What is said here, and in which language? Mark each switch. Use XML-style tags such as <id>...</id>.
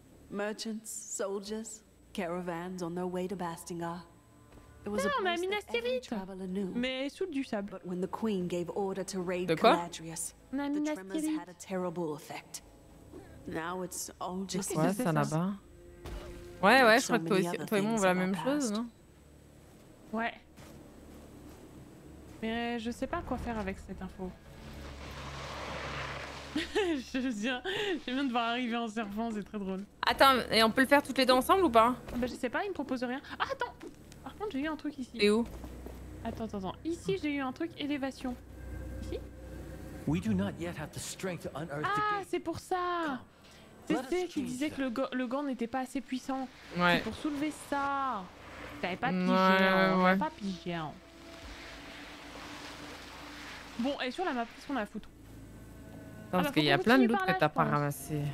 <en>Merchants, soldiers, caravans on their way to Bastingar. It was non, a place that every traveler knew.</en> <fr>Mais sous du sable.</fr> <en>But when the queen gave order to raid Caladrius, the tremors had a terrible effect. Now it's all just</en> <fr>qu'est-ce que c'est ça là-bas? Ouais, ouais, je crois que toi, aussi, toi et moi, on voit la même chose, non? Ouais. Mais je sais pas quoi faire avec cette info. je viens de voir arriver en surfant, c'est très drôle. Attends, et on peut le faire toutes les deux ensemble ou pas? Bah je sais pas, il me propose rien. Ah attends! Par contre j'ai eu un truc ici. Et où? Attends. Ici j'ai eu un truc élévation. Ici?</fr> <en>We do not yet have the strength to unearth the gate.</en> <fr>Ah, c'est pour ça! C'était qui disait que le gant n'était pas assez puissant. Ouais. C'est pour soulever ça. T'avais pas pigé, ouais, hein. Ouais. T'avais pas pigé, hein. Bon, et sur la map, qu'est-ce qu'on a à foutre? Ah parce bah, qu'il y a plein de loot que t'as pas ramassé.</fr>